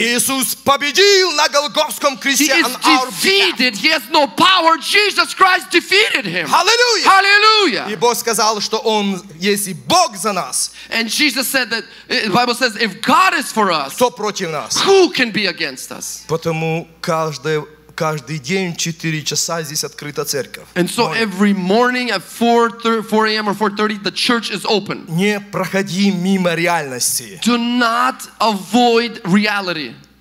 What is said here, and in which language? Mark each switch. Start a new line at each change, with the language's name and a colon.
Russian: Иисус победил на Голгофском кресте.
English: He is defeated. He has no power. Jesus Christ defeated him. Hallelujah. Hallelujah.
Russian: И Бог сказал, что Он есть и Бог за нас.
English: And Jesus said that the Bible says, if God is for us,
Russian: кто против нас?
English: Who can be against us?
Russian: Потому каждый день 4 часа здесь открыта церковь.
English: And so every morning at 4 a.m. or 4:30 the church is open.
Russian: Не проходи мимо реальности.
English: Do not avoid reality.